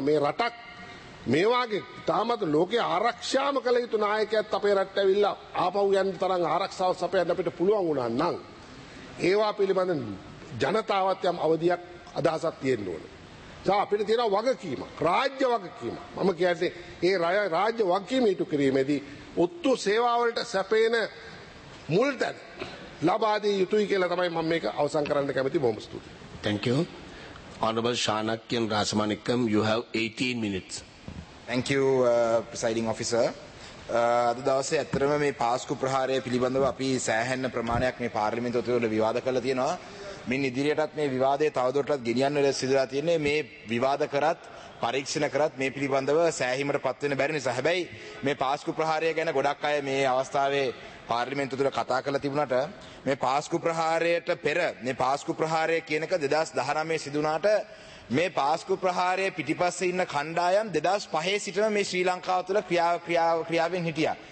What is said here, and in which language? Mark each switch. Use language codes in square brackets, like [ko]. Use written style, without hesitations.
[si] මේ රටක් මේ වාගේ තාමත් ලෝකේ ආරක්ෂාම කළ යුතු නායකයෙක් අපේ රටට ඇවිල්ලා ආපහු යන්න තරම් ආරක්ෂාව සපයන්න අපිට පුළුවන් වුණා නම් ඒවා පිළිබඳ ජනතාවත් යම් අවධියක් අදහසක් තියෙන්න ඕන. සා අපිට තියෙන වගකීමක් රාජ්‍ය වගකීමක්. මම කියන්නේ ඒ රාජ්‍ය වගකීම ඉටු කිරීමේදී ඔත්තු සේවාවලට සැපේන මුල් තැන ලබා දිය යුතුයි කියලා තමයි මම මේක අවසන් කරන්න කැමති. බොහොම ස්තුතියි. [en] Thank you. Honorable Shanakyan Rasamanikam, you have 18 minutes. Thank you, presiding officer. [si] අද දවසේ ඇත්තරම මේ පාස්කු ප්‍රහාරය පිළිබඳව අපි සෑහෙන ප්‍රමාණයක් මේ පාර්ලිමේන්තුවේ විවාද කළා තියෙනවා. මින් ඉදිරියටත් මේ විවාදයේ තවදුරටත් ගෙනියන්න සිදුලා තියෙන්නේ. මේ විවාද කරත් පරීක්ෂණ කරත් මේ පිළිබඳව සෑහීමට පත් වෙන බැරි නිසා. හැබැයි මේ පාස්කු ප්‍රහාරය ගැන ගොඩක් අය මේ අවස්ථාවේ පාර්ලිමේන්තු තුල කතා කරලා තිබුණාට මේ පාස්කු ප්‍රහාරයට පෙර මේ පාස්කු ප්‍රහාරය කියනක 2019 සිදුනාට මේ පාස්කු ප්‍රහාරයේ පිටිපස්සේ ඉන්න කණ්ඩායම් 2005 සිටම මේ ශ්‍රී ලංකාව තුළ ක්‍රියාවෙන් හිටියා.